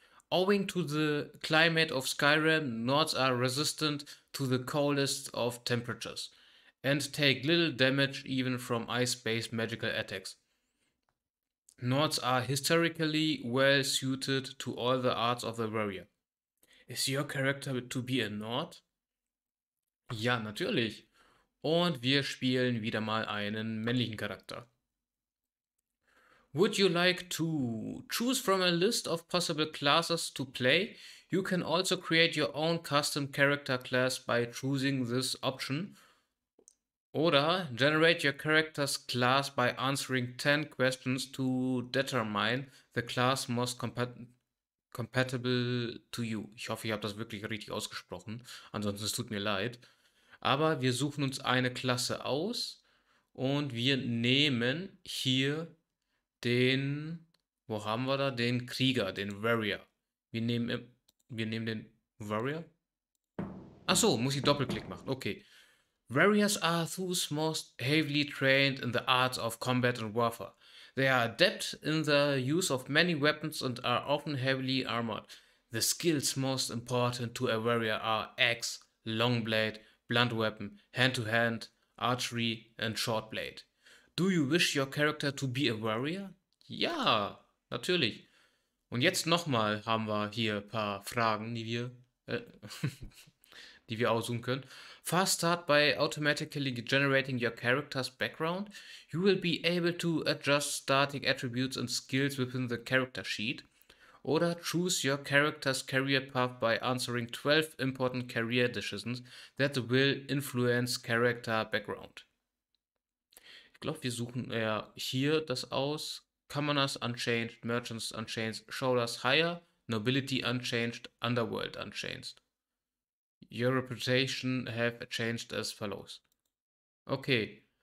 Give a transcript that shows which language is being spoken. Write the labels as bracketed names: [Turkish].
[English] Owing to the climate of Skyrim, Nords are resistant to the coldest of temperatures and take little damage even from ice-based magical attacks. Nords are historically well suited to all the arts of the warrior. Is your character to be a Nord? [German] Ja, natürlich. Und wir spielen wieder mal einen männlichen Charakter. [English] Would you like to choose from a list of possible classes to play? You can also create your own custom character class by choosing this option. Oder generate your character's class by answering 10 questions to determine the class most compatible to you. [German] Ich hoffe, ich habe das wirklich richtig ausgesprochen. Ansonsten, es tut mir leid. Aber wir suchen uns eine Klasse aus und wir nehmen hier den, wo haben wir da? Den Krieger, den Warrior. Wir nehmen den Warrior. Achso, muss ich Doppelklick machen. Okay. [English] Warriors are those most heavily trained in the arts of combat and warfare. They are adept in the use of many weapons and are often heavily armored. The skills most important to a warrior are axe, long blade, blunt weapon, hand-to-hand, archery and short blade. Do you wish your character to be a warrior? [German] Ja, natürlich. Und jetzt nochmal haben wir hier ein paar Fragen, die wir aussuchen können. [English] Fast start by automatically generating your character's background. You will be able to adjust starting attributes and skills within the character sheet. Oder choose your character's career path by answering 12 important career decisions that will influence character background. [German] Ich glaube, wir suchen eher hier das aus. [English] Commoners unchanged, Merchants unchanged, Scholars higher, Nobility unchanged, Underworld unchanged. Your reputation have changed as follows. Okay.